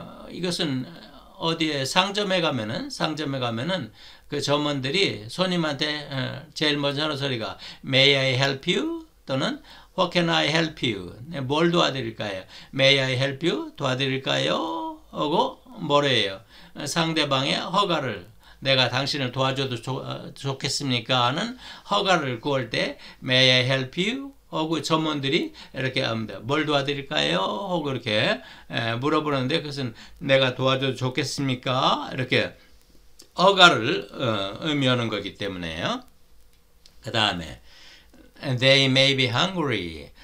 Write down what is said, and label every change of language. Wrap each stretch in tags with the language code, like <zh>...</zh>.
<ko>이것은 어디에 상점에 가면은 그 점원들이 손님한테 제일 먼저 하는 소리가</ko> <en>May I help you? 또는 What can I help you?</en> <ko>뭘 도와드릴까요?</ko> <en>May I help you?</en> <ko>도와드릴까요? 하고 뭐래요? 상대방의 허가를, 내가 당신을 도와줘도 좋겠습니까? 하는 허가를 구할 때</ko> <en>May I help you?</en> <ko>하고 점원들이 이렇게 합니다. 뭘 도와드릴까요? 하고 이렇게 물어보는데, 그것은 내가 도와줘도 좋겠습니까? 이렇게 허가를 의미하는 거기 때문에요. 그 다음에</ko> <en>They may be hungry.</en>